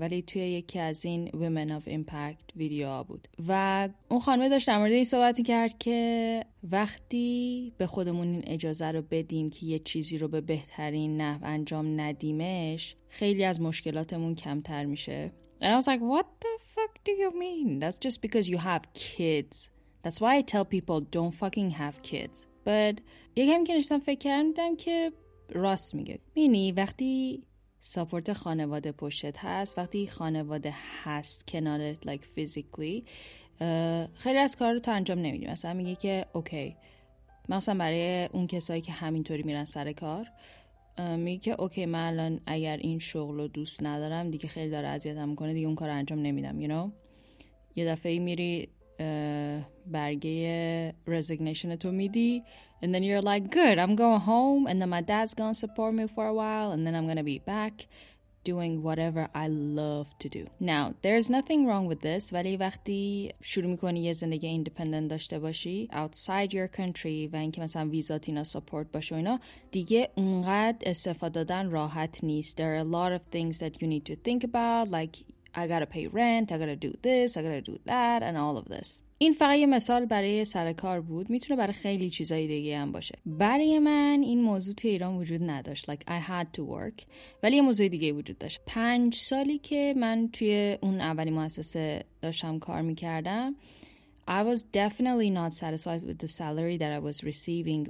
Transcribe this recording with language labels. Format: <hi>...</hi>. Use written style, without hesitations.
<fa>ولی توی یکی از این Women of Impact ویدیو ها بود و اون خانمه داشت در مورد این صحبت کرد که وقتی به خودمون این اجازه رو بدیم که یه چیزی رو به بهترین نحو انجام ندیمش، خیلی از مشکلاتمون کمتر میشه.</fa> <en>And I was like, what the fuck do you mean? That's just because you have kids. That's why I tell people don't fucking have kids.</en> <fa>But یکم که نشستم فکر کردم که راست میگه. مینی وقتی ساپورت خانواده پشتت هست، وقتی خانواده هست کنارت</fa> <en>like physically،</en> <fa>خیلی از کار رو تو انجام نمیدی. مثلا میگه که اوکی، مثلا برای اون کسایی که همینطوری میرن سر کار، میگه که اوکی من الان اگر این شغل رو دوست ندارم دیگه خیلی داره اذیتم میکنه، دیگه اون کار رو انجام نمیدم.</fa> <en>you know</en> <fa>یه دفعه میری برگه رزیگنیشن تو میدی</fa> <en>and then you're like good I'm going home and then my dad's going to support me for a while and then I'm going to be back doing whatever I love to do. Now there's nothing wrong with this.</en> <fa>ولی وقتی شروع میکنی یه زندگی ایندیپندنت داشته باشی</fa> <en>outside your country</en> <fa>و اینکه مثلا ویزات اینا سپورت باشه اینا، دیگه اونقدر استفاده دادن راحت نیست.</fa> <en>There are a lot of things that you need to think about, like I gotta pay rent, I gotta do this, I gotta do that, and all of this.</en> <fa>این فقط یه مثال برای سرکار بود، میتونه برای خیلی چیزای دیگه هم باشه. برای من این موضوع تو ایران وجود نداشت.</fa> <en>Like, I had to work.</en> <fa>ولی یه موضوع دیگه وجود داشت. 5 سالی که من توی اون اولی مؤسسه داشتم کار میکردم،</fa> <en>I was definitely not satisfied with the salary that I was receiving.</en>